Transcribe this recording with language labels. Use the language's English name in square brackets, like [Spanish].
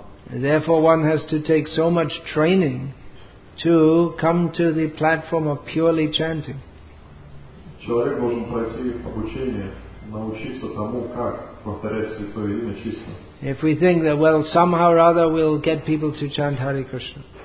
[English] Therefore one has to take so much training to come to the platform of purely chanting. [Russian] Человек должен пройти обучение, научиться тому, как повторять святое имя чисто. [English] If we think that, well, somehow or other we'll get people to chant Hare Krishna.